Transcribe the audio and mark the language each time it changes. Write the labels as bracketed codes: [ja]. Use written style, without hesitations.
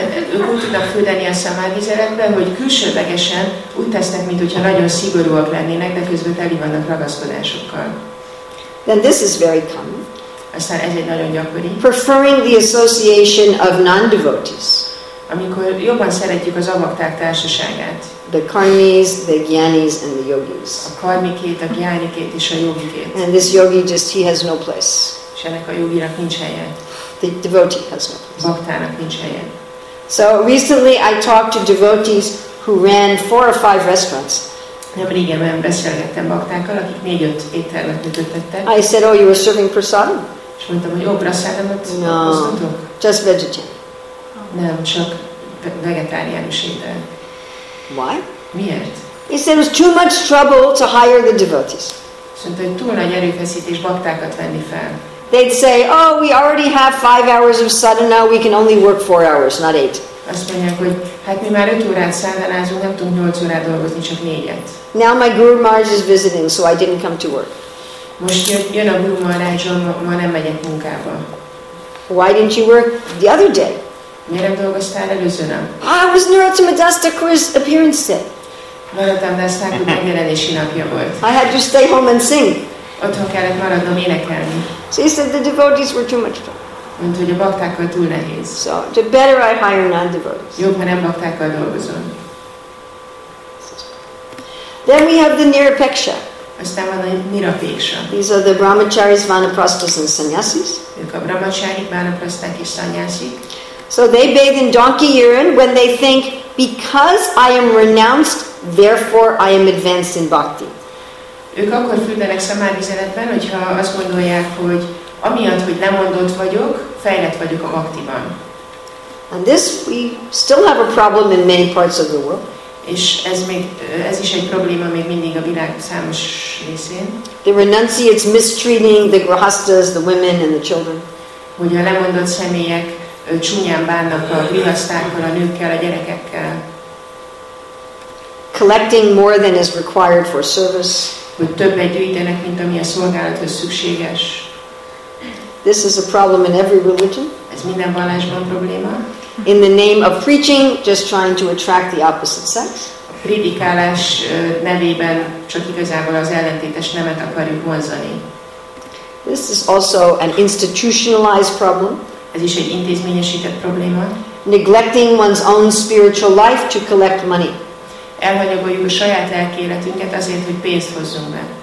[hu] Úgy tudnak fürdeni a szamárvizeletbe, hogy külsőlegesen úgy tesznek, mintha nagyon szigorúak lennének, de közben teli vannak ragaszkodásokkal. [en] Then this is very common. [hu] Aztán ez egy nagyon gyakori. [en] Preferring the association of non-devotees. [hu] Amikor jobban szeretjük az avakták társaságát. [en] The karmis, the gyanis, and the yogis. [hu] A karmikét, a gyanikét és a yogikét. [en] And this yogi just, he has no place. [hu] És ennek a yoginak nincs helye. [en] The devotee has no place. [hu] Baktának nincs helye. [en] So recently I talked to devotees who ran 4 or 5 restaurants. [hu] Nemrég igen, beszélgettem baktákkal, akik 4-5 éttermet működtettek. [en] I said, oh, you were serving prasadam? [hu] És mondtam, hogy jó, prasadamot [en] no, [hu] osztatok. [en] Just vegetarian. [hu] Nem, csak vegetáriánus étel. [en] Why? [hu] Miért? [en] He said it was too much trouble to hire the devotees. [hu] Szerintem túl nagy erőfeszítés baktákat venni fel. [en] They'd say, oh, we already have 5 hours of sadhana, we can only work 4 hours, not 8. [hu] Azt mondják, hogy hát mi már 5 órát szadhanázunk, nem tudunk 8 órát dolgozni, csak 4-et. [en] Now my Guru Maharaj is visiting, so I didn't come to work. [hu] Most jön a Guru Maharaj, ma nem megyek munkába. [en] Why didn't you work the other day? [hu] Miért nem dolgoztál előző nap? [en] I was Narottama Das Thakur's appearance day. [hu] Narottama Das Thakur megjelenési napja volt. [en] I had to stay home and sing. [hu] Otthon kellett maradnom énekelni. [en] So he said the devotees were too much trouble. [hu] Mint hogy a baktákkal túl nehéz. [en] So the better I hire non-devotees. [hu] Jobb, ha nem baktákkal dolgozom. [en] Then we have the Nirapeksha. [hu] Aztán van a Nirapeksha. [en] These are the brahmacharis, vanaprasthas and sannyasis. [hu] Ők a brahmacharik, vanaprasthák és sannyasik. [en] So they bathe in donkey urine when they think, because I am renounced, therefore I am advanced in bhakti. [hu] Ők akkor fürdenek szamárvizeletben, hogyha azt gondolják, hogy amiatt, hogy lemondott vagyok, fejlett vagyok a bhaktiban. [en] And this, we still have a problem in many parts of the world. [hu] És ez is egy probléma még mindig a világ számos részén. [en] The renunciates mistreating the grahasthas, the women and the children. [hu] Hogy a lemondott személyek csúnyán bánnak a grihasztákkal, a nőkkel, a gyerekekkel. [en] Collecting more than is required for service. [hu] Hogy többet gyűjtenek, mint ami a szolgálathoz szükséges. [en] This is a problem in every religion. [hu] Ez minden vallásban probléma. [en] In the name of preaching, just trying to attract the opposite sex. [hu] A prédikálás nevében csak igazából az ellentétes nemet akarjuk vonzani. [en] This is also an institutionalized problem. [hu] Ez is egy intézményesített probléma. [en] Neglecting one's own spiritual life to collect money. [hu] Elhanyagoljuk a saját lelki életünket azért, hogy pénzt hozzunk be.